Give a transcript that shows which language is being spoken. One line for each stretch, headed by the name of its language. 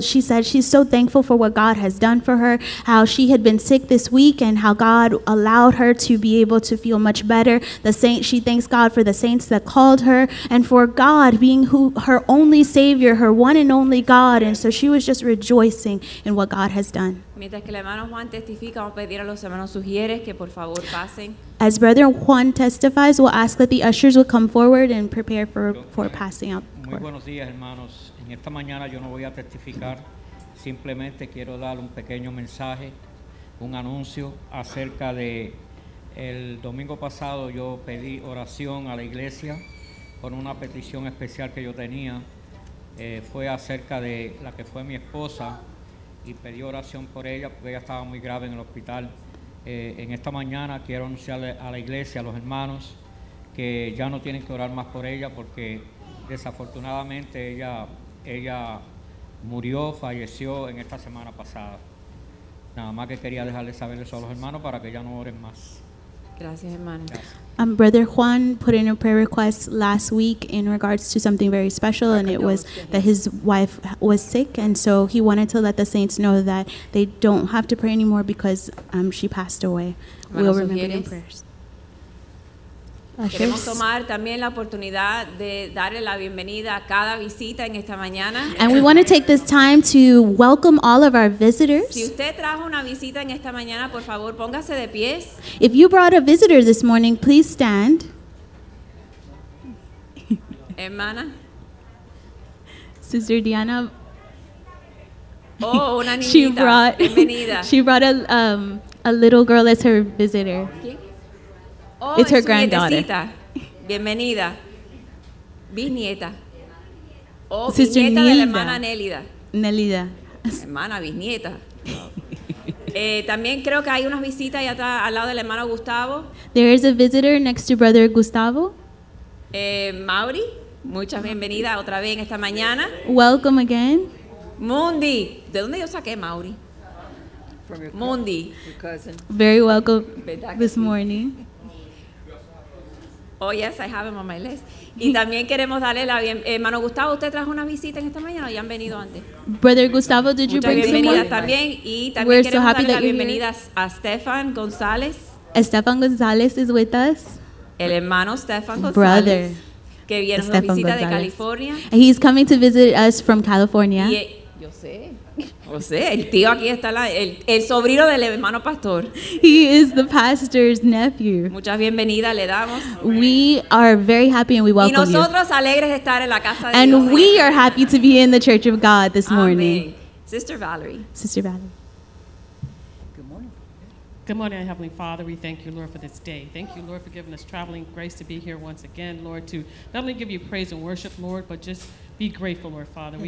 English: She said she's so thankful for what God has done for her, how she had been sick this week and how God allowed her to be able to feel much better. She thanks God for the saints that called her and for God being her only Savior, her one and only God. And so she was just rejoicing in what God has done.
Spanish: Mientras que el hermano Juan testifica, vamos a pedir a los hermanos sugieres que por favor pasen.
English: As Brother Juan testifies, we'll ask that the ushers would come forward and prepare for passing out.
Spanish: Muy buenos días, hermanos. En esta mañana yo no voy a testificar. Simplemente quiero dar un pequeño mensaje, un anuncio acerca de el domingo pasado. Yo pedí oración a la iglesia con una petición especial que yo tenía. Fue acerca de la que fue mi esposa. Y pedí oración por ella porque ella estaba muy grave en el hospital. En esta mañana quiero anunciarle a la iglesia, a los hermanos, que ya no tienen que orar más por ella porque desafortunadamente ella murió, falleció en esta semana pasada. Nada más que quería dejarle saber eso a los hermanos para que ya no oren más. Gracias, hermano.
English: Brother Juan put in a prayer request last week in regards to something very special, and it was that his wife was sick, and so he wanted to let the saints know that they don't have to pray anymore because she passed away. We'll remember in prayers.
Spanish: Queremos tomar también la oportunidad de darle la bienvenida a cada visita en esta mañana.
English: And we want to take this time to welcome all of our visitors.
Spanish: Si usted trajo una visita en esta mañana, por favor, póngase de pies.
English: If you brought a visitor this morning, please stand.
Spanish: Hermana.
English: Sister Diana.
Spanish: Oh, una niñita. Bienvenida.
English: She brought a little girl as her visitor. Oh, it's her granddaughter.
Spanish: Nietecita. Bienvenida. Bisnieta.
English: Oh, Sister
Spanish: bisnieta Nilda. De la hermana Nélida. Nélida. Hermana, bisnieta. también creo que hay unas visitas allá atrás al lado del hermano Gustavo.
English: There is a visitor next to Brother Gustavo.
Spanish: Mauri, muchas bienvenidas otra vez en esta mañana.
English: Welcome again.
Spanish: Mundi, ¿de dónde yo saqué Mauri?
English: From your
Spanish: Mundi.
English: Cousin. Very welcome this morning. Oh, yes, I have him on my list.
Spanish: Y también queremos darle la bienvenida. Hermano Gustavo, ¿usted trajo una visita en esta mañana o ya han venido antes?
English: Brother Gustavo, did you bring someone?
Spanish: Bienvenida también. Y también
English: we're
Spanish: queremos
English: so happy
Spanish: darle
English: that
Spanish: la bienvenida
English: here.
Spanish: A Stefan González.
English: Stefan González is with us.
Spanish: El hermano Stefan González.
English: Brother.
Spanish: Que viene de visita González. De California.
English: And he's coming to visit us from California.
Spanish: Y yo sé. José, el tío aquí está, el sobrino del hermano pastor.
English: He is the pastor's nephew.
Spanish: Muchas bienvenidas le damos.
English: We are very happy and we welcome you.
Spanish: Y nosotros alegres de estar en la casa de Dios.
English: And we are happy to be in the church of God this morning. Amen. Sister Valerie. Good morning, Heavenly Father. We thank you, Lord, for this day. Thank you, Lord, for giving us traveling grace to be here once again, Lord, to not only give you praise and worship, Lord, but just be grateful, Lord, Father.